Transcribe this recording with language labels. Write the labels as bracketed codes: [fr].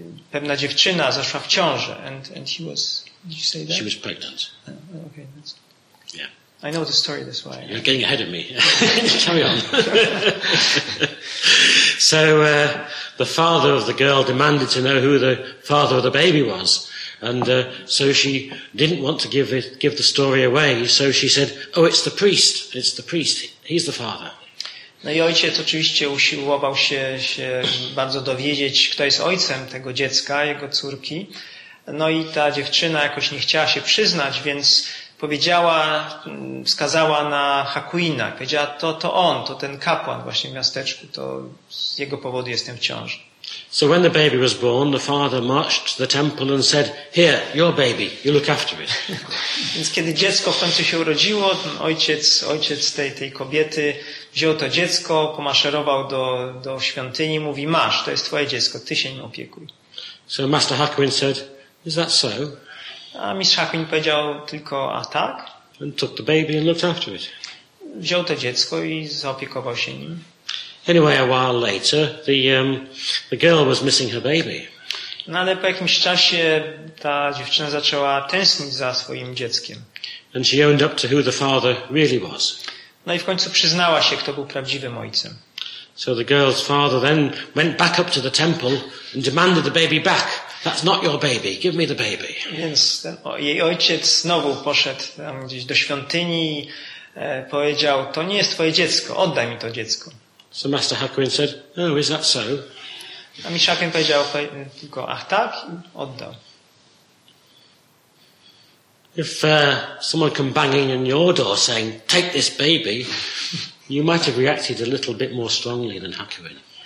[pl] Pewna dziewczyna zaszła w ciążę. [en] And he was... Did you say that? She was pregnant. Okay, that's... Yeah. I know the story this way. You're getting ahead of me. Carry on. So the father of the girl demanded to know who the father of the baby was. And so she didn't want to give the story away. So she said, oh, it's the priest. It's the priest. He's the father. [pl] No i ojciec oczywiście usiłował się bardzo dowiedzieć, kto jest ojcem tego dziecka, jego córki. No i ta dziewczyna jakoś nie chciała się przyznać, więc... powiedziała, wskazała na Hakuina. Powiedziała, to on, to ten kapłan właśnie w miasteczku, to z jego powodu jestem w ciąży. [en] So when the baby was born, the father marched to the temple and said, here, your baby, you look after it. [pl] Więc kiedy dziecko w końcu się urodziło, ojciec tej kobiety wziął to dziecko, pomaszerował do świątyni, mówi, masz, to jest twoje dziecko, ty się nim opiekuj. [en] So Master Hakuin said, is that so? [pl] A mistrz Hakuin powiedział tylko, a tak? [en] And took the baby and looked after it. [pl] Wziął to dziecko i zaopiekował się nim. [en] Anyway, a while later, the girl was missing her baby. [pl] No ale po jakimś czasie ta dziewczyna zaczęła tęsknić za swoim dzieckiem. [en] And she owned up to who the father really was. [pl] No i w końcu przyznała się, kto był prawdziwym ojcem. [en] So the girl's father then went back up to the temple and demanded the baby back. That's not your baby. Give me the baby. [pl] Więc jej ojciec znowu poszedł tam gdzieś do świątyni i powiedział, to nie jest twoje dziecko, oddaj mi to dziecko. [en] So Master Hakuin said, oh, is that so? [pl] A mistrz Hakuin powiedział tylko, ach tak, i oddał. [en] If someone come banging on your door saying, take this baby, you might have reacted a little bit more strongly than Hakuin.